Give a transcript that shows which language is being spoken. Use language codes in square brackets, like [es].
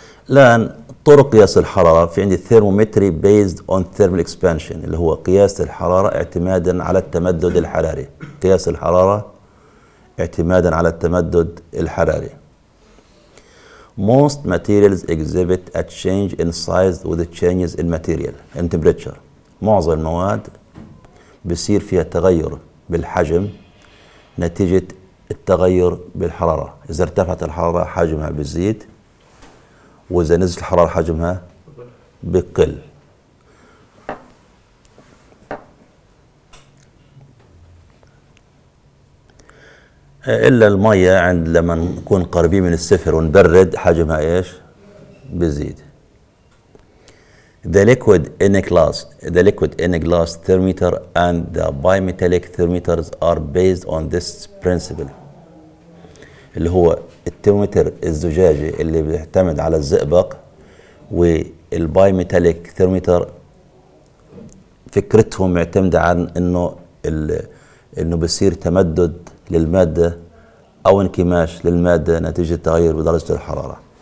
[ar] الآن طرق قياس الحرارة، في عندي الثيرمومتري [en] based on thermal expansion [ar] اللي هو قياس الحرارة اعتمادا على التمدد الحراري، قياس الحرارة اعتمادا على التمدد الحراري. [en] Most materials exhibit a change in size with changes in material and temperature. [ar] معظم المواد بيصير فيها تغير بالحجم نتيجة التغير بالحرارة. إذا ارتفعت الحرارة حجمها بيزيد، وإذا نزل الحرارة حجمها بيقل. الا الميه عند لما نكون قريبين من الصفر ونبرد حجمها ايش بيزيد. [en] The liquid in a glass, the liquid in a glass thermometer and the bimetallic thermometers are based on this principle. [ar] اللي هو الترمتر الزجاجي اللي بيعتمد على الزئبق والبايميتاليك ثرمتر فكرتهم معتمدة عن انه بصير تمدد للمادة او انكماش للمادة نتيجة تغير بدرجة الحرارة.